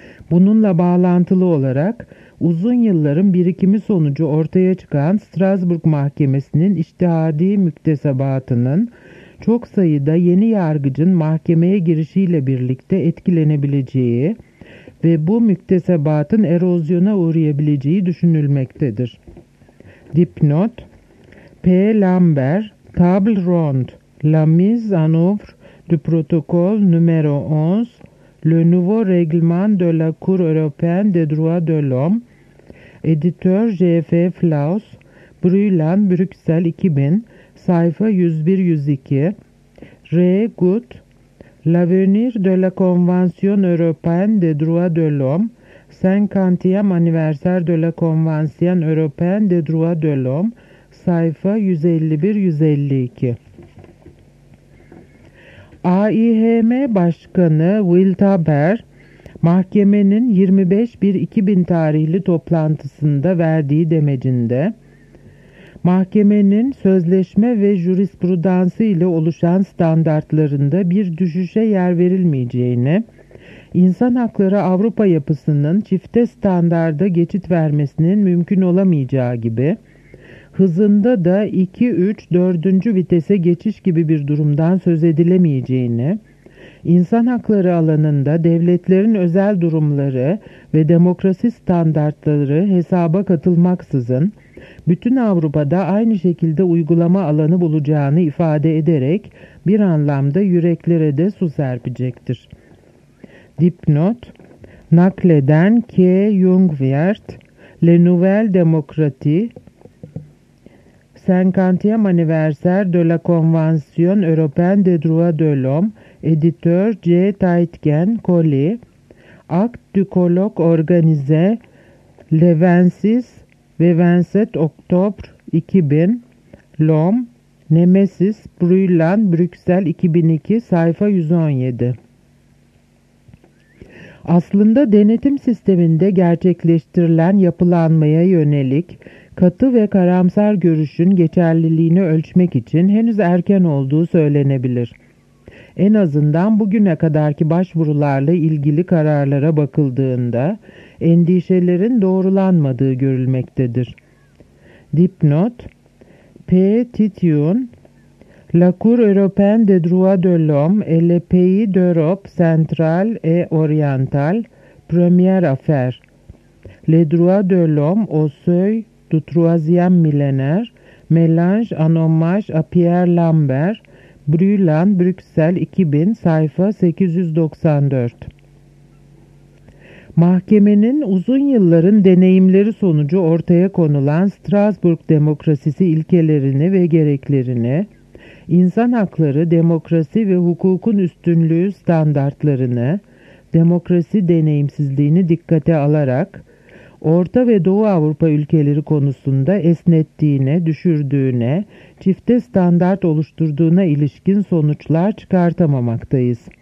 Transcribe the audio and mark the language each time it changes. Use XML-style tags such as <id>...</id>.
<tr>Bununla bağlantılı olarak uzun yılların birikimi sonucu ortaya çıkan Strasbourg Mahkemesi'nin içtihadi müktesebatının çok sayıda yeni yargıcın mahkemeye girişiyle birlikte etkilenebileceği ve bu müktesebatın erozyona uğrayabileceği düşünülmektedir. Dipnot P.</tr> <fr>Lambert, Table Ronde, La mise en œuvre du protocole numéro 11, Le nouveau règlement de la Cour européenne des droits de l'homme, Éditeur J.F. Flaus, Brüland, Bruxelles 2000,</fr> <tr>sayfa 101-102,</tr> <fr>R. Gut, L'avenir de la Convention européenne des droits de l'homme, 50e anniversaire de la Convention européenne des droits de l'homme,</fr> <tr>sayfa 151-152. AİHM Başkanı Wildhaber, mahkemenin 25.1.2000 tarihli toplantısında verdiği demecinde, mahkemenin sözleşme ve jurisprudansı ile oluşan standartlarında bir düşüşe yer verilmeyeceğini, insan hakları Avrupa yapısının çifte standarda geçit vermesinin mümkün olamayacağı gibi, hızında da 2-3-4. Vitese geçiş gibi bir durumdan söz edilemeyeceğini, insan hakları alanında devletlerin özel durumları ve demokrasi standartları hesaba katılmaksızın, bütün Avrupa'da aynı şekilde uygulama alanı bulacağını ifade ederek bir anlamda yüreklere de su serpecektir. Dipnot Nakleden K.</tr> <fr>Jungwirth Le Nouvelle Démocratie 50e Anniversaire de la Convention Européenne des Droits de l'Homme Éditeur C. Taitken Colli Acte du Colloque Organisé Le 26</fr> <tr>ve</tr> <fr>27 Oktober 2000 Lom Nemesis Brüland Brüksel 2002</fr> <tr>sayfa 117. Aslında denetim sisteminde gerçekleştirilen yapılanmaya yönelik katı ve karamsar görüşün geçerliliğini ölçmek için henüz erken olduğu söylenebilir. En azından bugüne kadarki başvurularla ilgili kararlara bakıldığında endişelerin doğrulanmadığı görülmektedir. Dipnot: P.</tr> <fr>Titiun, La Cour européenne des droits de l'homme et le pays d'Europe centrale et orientale, première affaire. Les droits de l'homme au seuil du troisième millénaire, mélange en hommage à Pierre Lambert, Brûlant, Bruxelles 2000,</fr> <tr>sayfa 894. Mahkemenin uzun yılların deneyimleri sonucu ortaya konulan Strasbourg demokrasisi ilkelerini ve gereklerini, insan hakları, demokrasi ve hukukun üstünlüğü standartlarını, demokrasi deneyimsizliğini dikkate alarak Orta ve Doğu Avrupa ülkeleri konusunda esnettiğine, düşürdüğüne, çifte standart oluşturduğuna ilişkin sonuçlar çıkartamamaktayız.</tr>